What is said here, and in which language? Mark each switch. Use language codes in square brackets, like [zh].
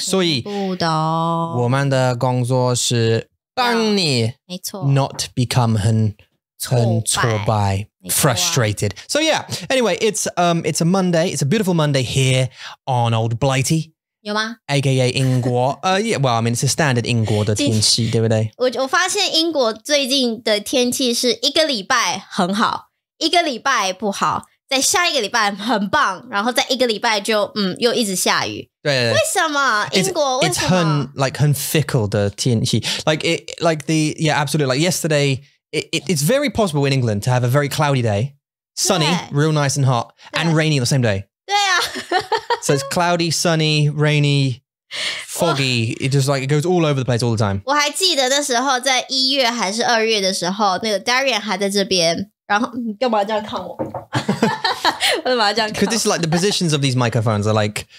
[zh] 所以我们的工作是帮你 [en] not become [zh] 很挫败 frustrated. [en] So yeah, anyway, it's a Monday. It's a beautiful Monday here on Old Blighty. [zh] 有吗 [en] ?AKA 英国yeah, well, I mean, it's a standard [zh] 英国的天气对不对我发现英国最近的天气是一个礼拜很好一个礼拜不好在下一个礼拜很棒然后在一个礼拜就又一直下雨。对。为什么英国 [en] it's [zh] 为什么 [en] it's很 fickle [zh] 的天气。 [en] Like, it, like the, yeah, absolutely. Like yesterday, it's very possible in England to have a very cloudy day, sunny, real nice and hot, and rainy the same day. [zh] 对啊。 [en] So it's cloudy, sunny, rainy, foggy. It just like, it goes all over the place all the time. [zh] 我还记得那时候在一月还是二月的时候那个 Darian 还在这边然后你干嘛这样看我我干嘛这样看我 [en] Because it's like the positions of these microphones are like